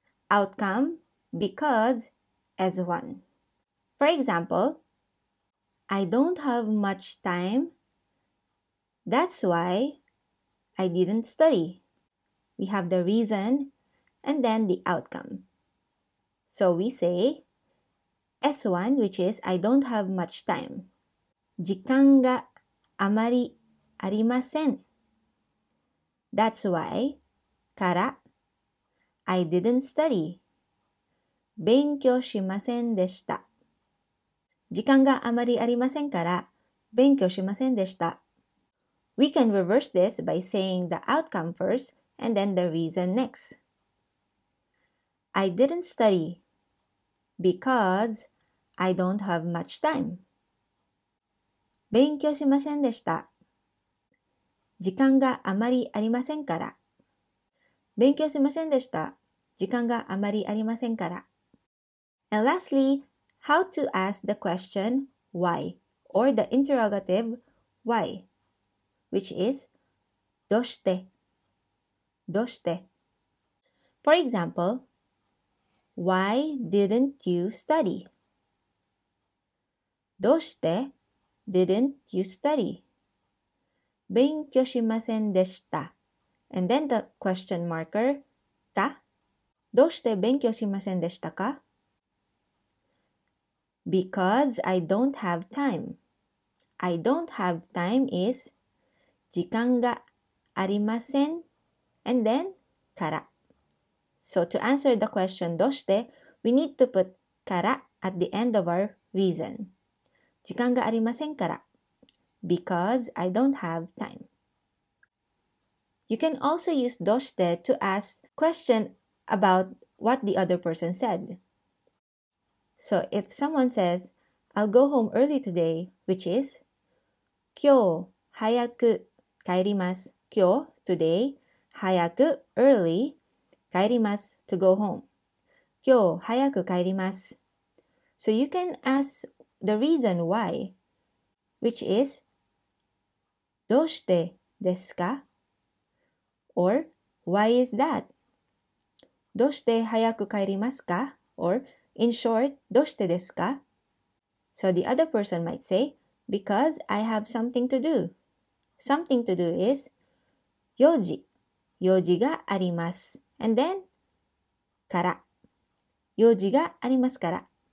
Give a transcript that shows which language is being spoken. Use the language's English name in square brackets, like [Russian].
[English] Outcome because S1. For example, I don't have much time. That's why I didn't study. We have the reason and then the outcome. So we say S1, which is I don't have much time. [Japanese] 時間があまりありません。 [English] That's why から I didn't study. [Japanese] 勉強しませんでした。時間があまりありませんから勉強しませんでした。 [English] We can reverse this by saying the outcome first and then the reason next. I didn't studyBecause I don't have much time. [Japanese] 勉強しませんでした。時間があまりありませんから。勉強しませんでした。時間があまりありませんから。 [English] And lastly, how to ask the question why or the interrogative why, which is どうして? [Japanese] どうして? [English] For example,Why didn't you study? どうして didn't you study? [Japanese] 勉強しませんでした。 [English] And then the question marker, [Japanese] た。どうして勉強しませんでしたか? [English] Because I don't have time. I don't have time is [Japanese] 時間がありません [English] and then [Japanese] から. [English] So to answer the question どうして, we need to put から at the end of our reason. [Japanese] 時間がありませんから. [English] Because I don't have time. You can also use どうして to ask question about what the other person said. So if someone says, I'll go home early today, which is [Japanese] 今日早く帰ります。 [English] 今日、today、早く early 帰ります to go home. [Japanese] 今日早く帰ります。 [English] So you can ask the reason why, which is [Japanese] どうしてですか? [English] Or why is that? [Japanese] どうして早く帰りますか? [English] Or in short, [Japanese] どうしてですか? [English] So the other person might say, because I have something to do. Something to do is 用事. [Japanese] 用事があります. [English] And then [Japanese] から.用事がありますから.